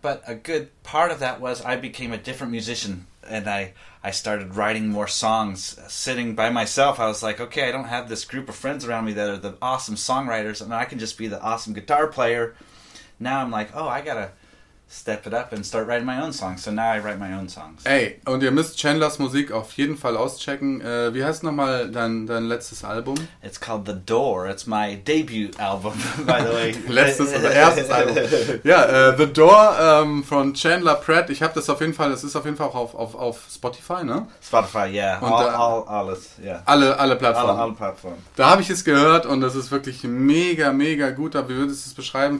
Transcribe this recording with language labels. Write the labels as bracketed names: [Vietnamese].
[English] But a good part of that was I became a different musician, and I started writing more songs sitting by myself. I was like, okay, I don't have this group of friends around me that are the awesome songwriters, and I can just be the awesome guitar player. Now I'm like, oh, I gotta step it up and start writing my own songs. So now I write my own songs. [German] Ey, und ihr müsst Chandlers Musik auf jeden Fall auschecken. Wie heißt nochmal dein letztes Album? [English] It's called The Door. It's my debut album, by the way. [German] Letztes oder erstes Album. Ja, The Door von Chandler Pratt. Ich habe das auf jeden Fall, das ist auf jeden Fall auch auf Spotify, ne? Spotify, ja. Yeah. Alles, ja. Yeah. Alle Plattformen. Alle Plattformen. Da habe ich es gehört und das ist wirklich mega, mega gut. Wie würdest du es beschreiben?